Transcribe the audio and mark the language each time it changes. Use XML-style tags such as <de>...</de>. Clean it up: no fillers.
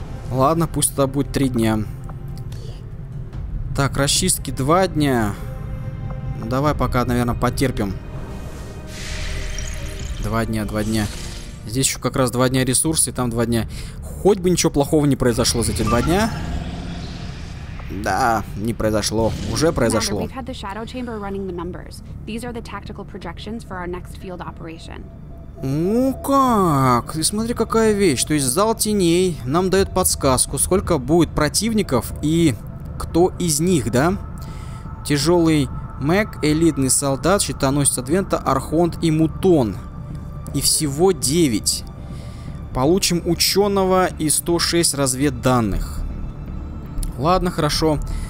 <ru>Ладно, пусть это будет 3 дня. Так, расчистки 2 дня. Ну, давай пока, наверное, потерпим. 2 дня. Здесь еще как раз 2 дня ресурсы, там 2 дня. Хоть бы ничего плохого не произошло за эти 2 дня. Да, не произошло. Уже произошло.</ru> <en>We've had the Shadow Chamber running the numbers. These are the tactical projections for our next field operation.</en> <ru>Ну как, ты смотри, какая вещь. То есть зал теней нам дает подсказку, сколько будет противников и... кто из них, да? Тяжелый Мэг, элитный солдат, щитоносец Адвента, Архонт и Мутон. И всего 9. Получим ученого и 106 разведданных. Ладно, хорошо.</ru>